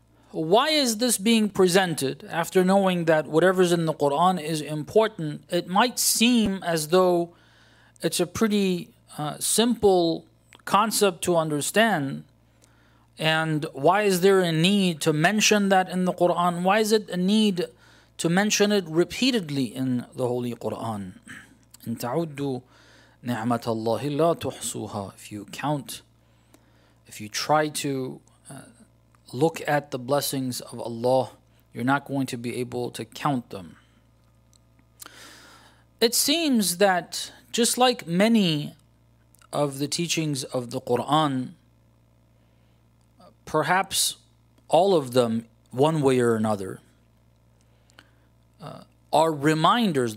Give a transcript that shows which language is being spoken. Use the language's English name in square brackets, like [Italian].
[English] Why is this being presented? After knowing that whatever's in the Quran is important, it might seem as though it's a pretty simple concept to understand. And why is there a need to mention that in the Quran? Why is it a need to mention it repeatedly in the Holy Quran? [Arabic] إن تعدوا نعمة الله لا تحصوها. [English] If you count, if you try to look at the blessings of Allah, you're not going to be able to count them. It seems that just like many of the teachings of the Quran, perhaps all of them, one way or another, are reminders.